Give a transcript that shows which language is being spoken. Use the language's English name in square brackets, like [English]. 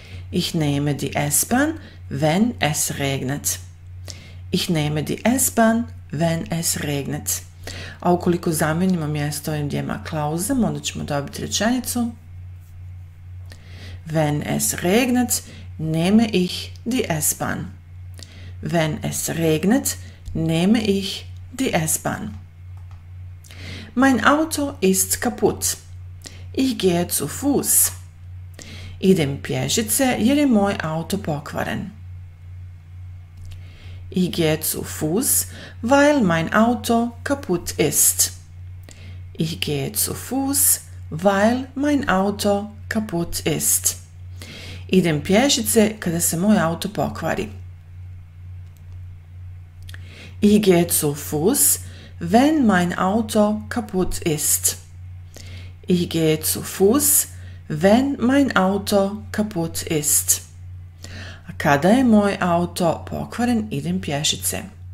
[German] Ich nehme die S-Bahn, wenn es regnet. Ich nehme die S-Bahn, wenn es regnet. [Croatian] A ukoliko zamijenimo mjesto ovim dvjema klauzama, onda ćemo dobiti rečenicu. [German] Wenn es regnet, nehme ich die S-Bahn. Wenn es regnet, nehme ich die S-Bahn. Mein Auto ist kaputt. Ich gehe zu Fuß. [Croatian] Idem pješice jer je moj auto pokvaren. [German] Ich gehe zu Fuß, weil mein Auto kaputt ist. Ich gehe zu Fuß, weil mein Auto kaputt ist. [Croatian] Idem pješice kada se moj auto pokvari. [German] Ich gehe zu Fuß, wenn mein Auto kaputt ist. Ich gehe zu Fuß, wenn mein Auto kaputt ist. [Croatian] A kada je moj auto pokvaren, idem pješice.